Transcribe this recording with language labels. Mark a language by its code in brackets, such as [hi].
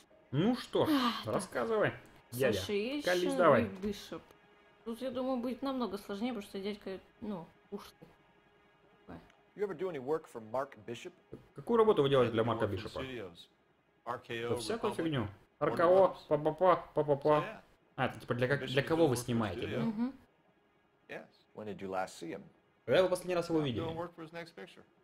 [ru] Ну что ж, рассказывай, дядя, колись давай. Слушай, Бишоп. Тут, я думаю, будет намного сложнее, потому что дядька, ну, ушлый. [en] You ever do any work for Mark Bishop? [ru] Какую работу вы делаете для Марка Бишопа? RKO, всякую фигню. RKO, па-па-па. А, это типа для кого вы снимаете, да? [en] Yes. When did you last see him? [ru] Когда вы последний раз его видели? [en] Still work for his next picture.